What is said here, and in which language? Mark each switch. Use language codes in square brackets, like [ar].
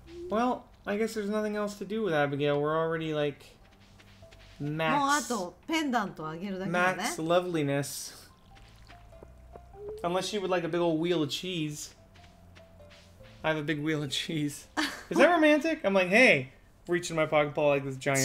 [en] Well, I guess there's nothing else to do with Abigail. We're already like max. [ja] もうあとペンダントあげるだけだね。 [en] Max loveliness. Unless you would like a big old wheel of cheese. I have a big wheel of cheese. Is that romantic? I'm like, hey, reaching my pocket, pull like this giant、